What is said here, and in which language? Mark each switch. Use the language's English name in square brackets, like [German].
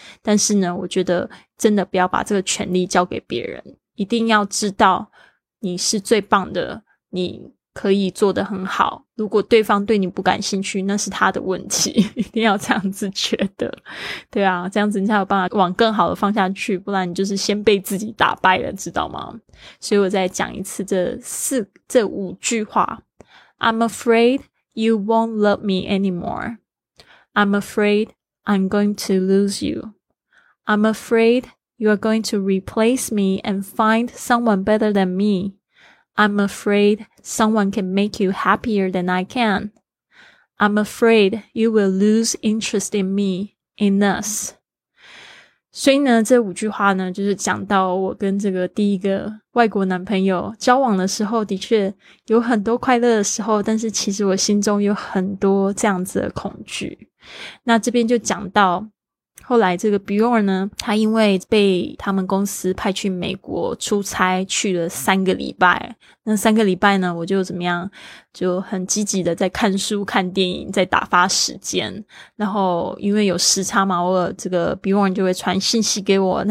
[Chinese] 但是呢，我觉得真的不要把这个权利交给别人，一定要知道你是最棒的，你可以做得很好。如果对方对你不感兴趣，那是他的问题，一定要这样子觉得。对啊，这样子你才有办法往更好的方向去，不然你就是先被自己打败了，知道吗？所以我再讲一次这五句话。 [English] I'm afraid you won't love me anymore. I'm afraid I'm going to lose you. I'm afraid you are going to replace me and find someone better than me. I'm afraid someone can make you happier than I can. I'm afraid you will lose interest in me, in us. [Chinese] 所以呢，这五句话呢，就是讲到我跟这个第一个外国男朋友交往的时候，的确有很多快乐的时候，但是其实我心中有很多这样子的恐惧。那这边就讲到后来这个 Bjorn 呢，他因为被他们公司派去美国出差去了三个礼拜，那三个礼拜呢，我就怎么样，就很积极的在看书看电影在打发时间，然后因为有时差嘛，偶尔这个 Bjorn 就会传信息给我。